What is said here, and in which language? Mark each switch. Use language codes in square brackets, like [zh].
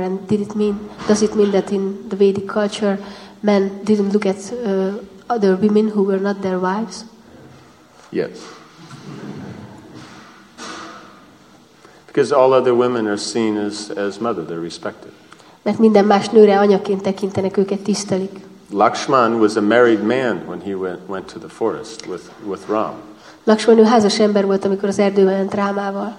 [en] And does it mean that in the Vedic culture, men didn't look at other women who were not their wives? Yes. Because all other women are seen as mother, they're respected. [hu] Mert minden más nőre anyaként tekintenek, őket tisztelik. [en] Lakshman was a married man when he went to the forest with Ram. [hu] Lakshman ő házas ember volt, amikor az erdőben ment Rámával.